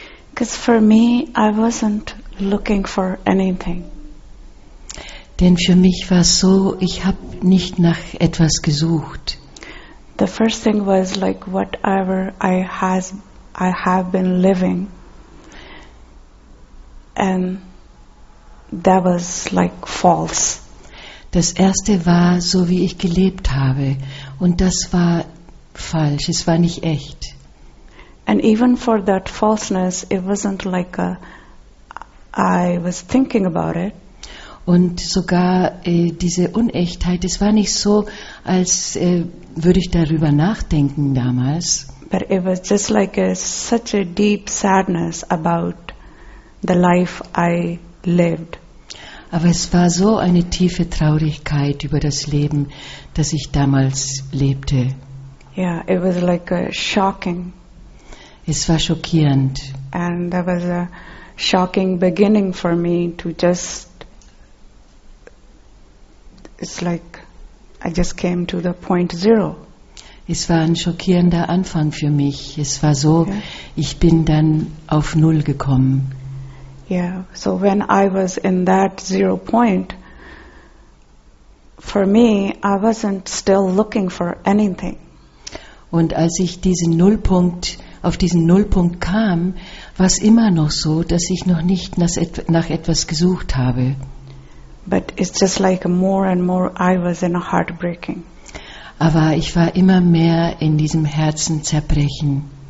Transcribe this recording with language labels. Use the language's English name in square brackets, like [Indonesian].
[English] Because for me, I wasn't looking for anything. [German] Denn für mich war es so, ich habe nicht nach etwas gesucht. [English] The first thing was like whatever I have been living, and that was like false. [German] Das erste war so, wie ich gelebt habe, und das war falsch. Es war nicht echt. [English] And even for that falseness, it wasn't like I was thinking about it. [German] Und sogar diese Unechtheit, es war nicht so, als würde ich darüber nachdenken damals. [English] But it was just like such a deep sadness about the life I lived. [German] Aber es war so eine tiefe Traurigkeit über das Leben, das ich damals lebte. [English] Yeah, it was like a shocking. [German] Es war schockierend. [English] And that was a shocking beginning for me to just. It's like I just came to the point zero. [German] Es war ein schockierender Anfang für mich. Es war so, okay. Ich bin dann auf Null gekommen. [English] Yeah, so when I was in that zero point, for me, I wasn't still looking for anything. [German] Und als ich diesen Nullpunkt. Auf diesen Nullpunkt kam, war es immer noch so, dass ich noch nicht nach etwas gesucht habe. [English] But it's just like more and more I was in a heartbreaking. [German] Aber ich war immer mehr in diesem Herzen zerbrechen.